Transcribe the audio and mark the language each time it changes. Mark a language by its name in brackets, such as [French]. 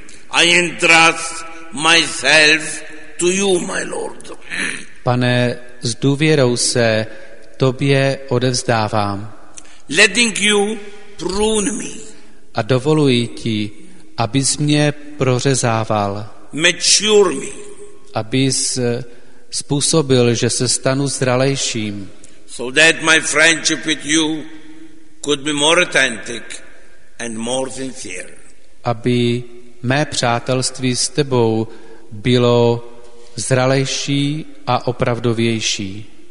[English] I entrust myself to you, my Lord. [Czech] Pane, s důvěrou se tobě odevzdávám. [English] Letting you prune me. [Czech] A dovoluji ti, abys mě prořezával. [English] Mature me. [Czech] Abys způsobil, že se stanu zralejším. [English] So that my friendship with you could be more authentic and more sincere. [Czech] Aby mé přátelství s tebou bylo zralejší a opravdovější.